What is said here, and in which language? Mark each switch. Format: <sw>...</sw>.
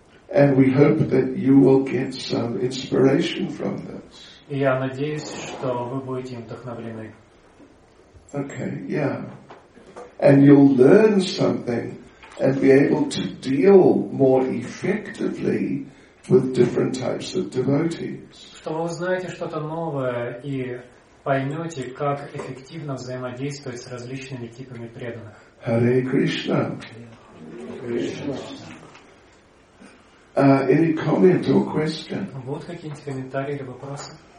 <en>And we hope that you will get some inspiration from this.</en> <ru>Я надеюсь, что вы будете им вдохновлены.</ru> <en>Okay, yeah. And you'll learn something and be able to deal more effectively with different types of devotees.</en> <ru>Что вы узнаете что-то новое и поймете, как эффективно взаимодействовать с различными типами преданных.</ru> <sa>Hare Krishna. Krishna.</sa> <en>Any comment or question?</en> <ru>Будут какие-нибудь комментарии или вопросы?</ru>